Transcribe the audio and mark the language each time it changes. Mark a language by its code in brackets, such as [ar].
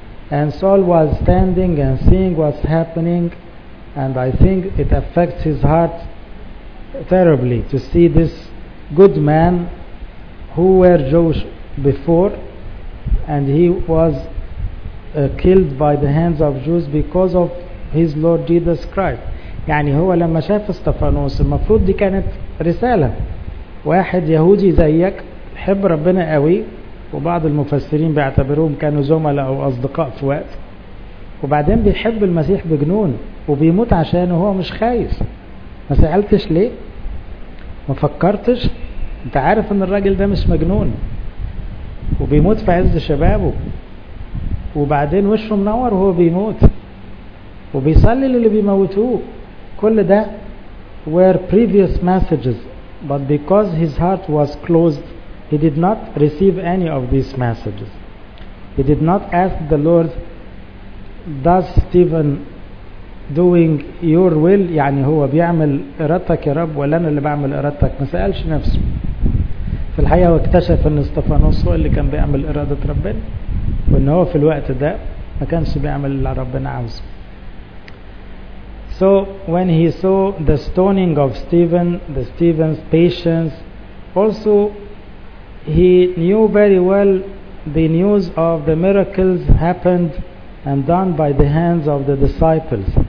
[en] And Saul was standing and seeing what's happening, and I think it affects his heart terribly to see this good man who were Jews before, and he was killed by the hands of Jews because of his Lord Jesus Christ. [ar] يعني هو لما شاف استفانوس المفروض دي كانت رسالة, واحد يهودي زيك حب ربنا قوي, وبعض المفسرين بيعتبروهم كانوا زملاء أو أصدقاء في وقت, وبعدين بيحب المسيح بجنون وبيموت عشانه, هو مش خايف. ما سألتش ليه؟ ما فكرتش؟ انت عارف ان الراجل ده مش مجنون وبيموت في عز شبابه, وبعدين وشه منور وهو بيموت وبيصلي للي بيموتوه. كل ده [en] were previous messages, but because his heart was closed he did not receive any of these messages. He did not ask the Lord, does Stephen doing your will, [ar] يعني هو بيعمل إرادتك يا رب ولا أنا اللي بعمل إرادتك. ما سألش نفسه. في الحقيقة واكتشف أن استفانوس هو اللي كان بيعمل إرادة ربنا, وأنه هو في الوقت ده ما كانش بيعمل اللي ربنا عاوزه. [en] So when he saw the stoning of Stephen, the Stephen's patience, also he knew very well the news of the miracles happened and done by the hands of the disciples.